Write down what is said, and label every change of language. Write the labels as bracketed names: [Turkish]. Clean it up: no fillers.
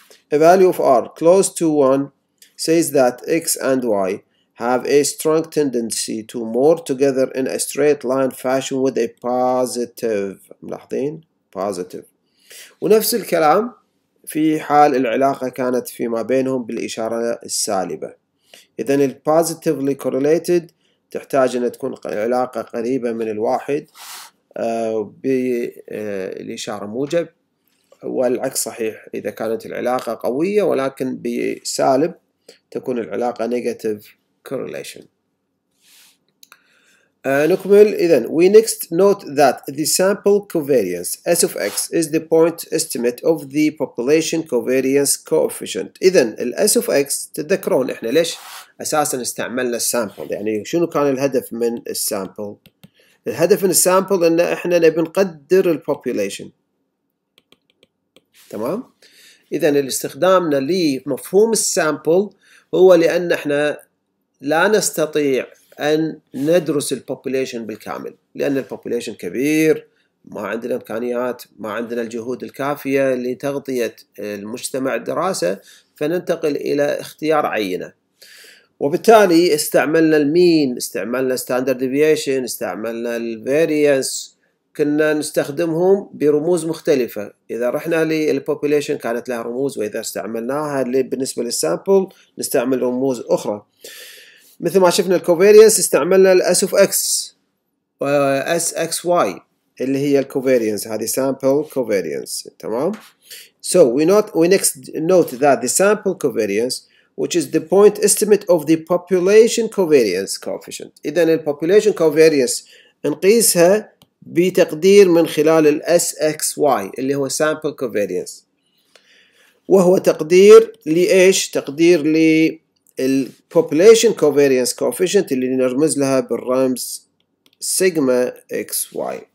[English] A value of R close to 1 says that X and Y have a strong tendency to more together in a straight line fashion with a positive. [Arabic] ملاحظين؟ positive. ونفس الكلام في حال العلاقة كانت فيما بينهم بالإشارة السالبة. إذن الـ positively correlated تحتاج أن تكون علاقة قريبة من الواحد بالإشارة موجب والعكس صحيح إذا كانت العلاقة قوية ولكن بسالب تكون العلاقة negative correlation. نكمل إذن. [English] We next note that the sample covariance S of X is the point estimate of the population covariance coefficient. [Arabic] إذن الـ S of X تذكرون إحنا ليش أساسا استعملنا السامبل يعني شنو كان الهدف من السامبل. الهدف من السامبل ان احنا نبي نقدر البوبوليشن. تمام؟ اذا استخدامنا لمفهوم السامبل هو لان احنا لا نستطيع ان ندرس البوبوليشن بالكامل لان البوبوليشن كبير ما عندنا امكانيات ما عندنا الجهود الكافيه لتغطيه المجتمع الدراسه فننتقل الى اختيار عينه. وبالتالي استعملنا المين استعملنا ستاندرد ديفيشن استعملنا الفاريانس كنا نستخدمهم برموز مختلفة. إذا رحنا للpopulation كانت لها رموز، وإذا استعملناها بالنسبة للsample نستعمل رموز أخرى. مثل ما شفنا الكوفيريانس استعملنا الS of X وS X Y اللي هي الكوفيريانس، هذه sample covariance. تمام؟ [English] So we next note that the sample covariance, which is the point estimate of the population covariance coefficient. [Arabic] إذا ال population covariance نقيسها بتقدير من خلال ال SXY اللي هو sample covariance، وهو تقدير لإيش؟ تقدير لل population covariance coefficient اللي نرمز لها بالرمز sigma XY.